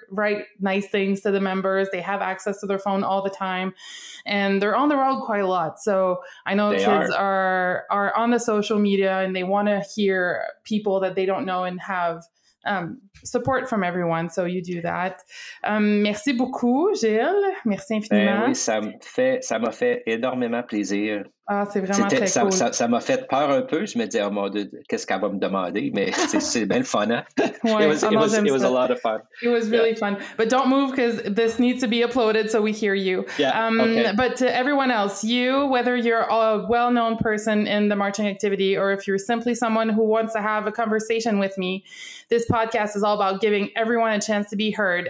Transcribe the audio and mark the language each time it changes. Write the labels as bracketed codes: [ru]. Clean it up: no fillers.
[en] Write nice things to the members. They have access to their phone all the time, and they're on the road quite a lot. So I know they kids are on the social media, and they want to hear people that they don't know and have support from everyone. So you do that. [fr] Merci beaucoup, Gilles. Merci infiniment. Oui, ça m'a fait énormément plaisir. Ah, c'est vraiment très ça, cool. Ça m'a fait peur un peu. Je me disais, oh mon Dieu, qu'est-ce qu'elle va me demander? Mais c'est bien le fun, hein? [en] It was a lot of fun. It was really fun. But don't move because this needs to be uploaded so we hear you. Yeah, okay. But to everyone else, you, whether you're a well-known person in the marching activity or if you're simply someone who wants to have a conversation with me, this podcast is all about giving everyone a chance to be heard.